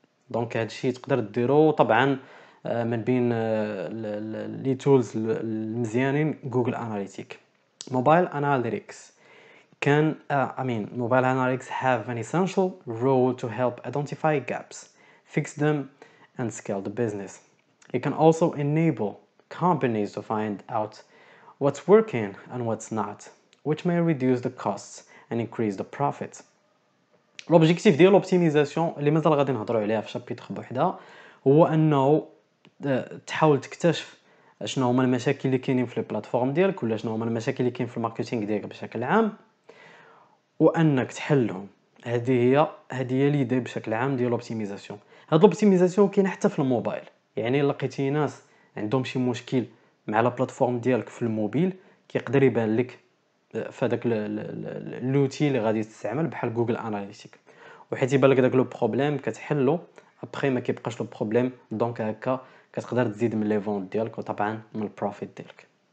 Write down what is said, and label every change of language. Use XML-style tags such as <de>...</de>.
<ar>دونك هادشي تقدر ديرو طبعا من بين لي تولز المزيانين جوجل اناليتيك.</ar> <en>Mobile analytics can I mean mobile analytics have an essential role to help identify gaps, fix them and scale the business. It can also enable companies to find out what's working and what's not, which may reduce the costs and increase the profit.</en> <ar>L'objectif ديال l'optimisation اللي مازال غادي نهضروا عليها في شابيتر بوحده هو انه تحاول تكتشف شنو هما المشاكل اللي كاينين في البلاتفورم ديالك ولا شنو هما المشاكل اللي كاين في الماركتينغ ديالك بشكل عام وانك تحلهم. هذه هي ليدي بشكل عام ديال l'optimisation. هاد l'optimisation كاين حتى في الموبايل, يعني لقيتي ناس عندهم شي مشكل مع البلاتفورم ديالك في الموبايل كيقدر يبان لك فداك لوتي اللي غادي تستعمل بحال جوجل اناليتيك, وحيت يبان لك داك لو بروبليم كتحلو ابري ما كيبقاش لو بروبليم, دونك هكا كتقدر تزيد من لي فونت ديالك وطبعا من البروفيت ديالك.</ar>